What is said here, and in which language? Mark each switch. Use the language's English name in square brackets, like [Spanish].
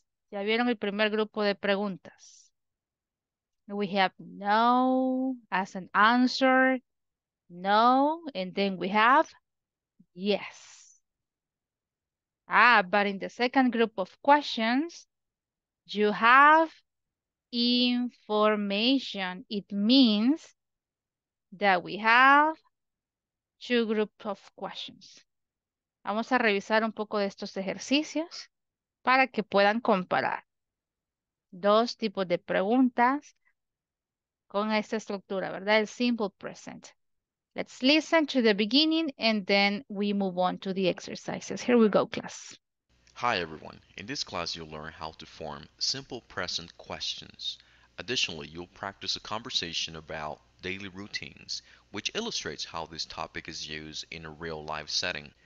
[Spanish] ¿Ya vieron el primer grupo de preguntas? [English] We have no as an answer, no, and then we have yes. Ah, but in the second group of questions, you have information. It means that we have two groups of questions. [Spanish] Vamos a revisar un poco de estos ejercicios para que puedan comparar dos tipos de preguntas con esta estructura, ¿verdad? El simple present. [English] Let's listen to the beginning and then we move on to the exercises. Here we go, class. Hi, everyone. In this class, you'll learn how to form simple present questions. Additionally, you'll practice a conversation about daily routines, which illustrates how this topic is used in a real-life setting.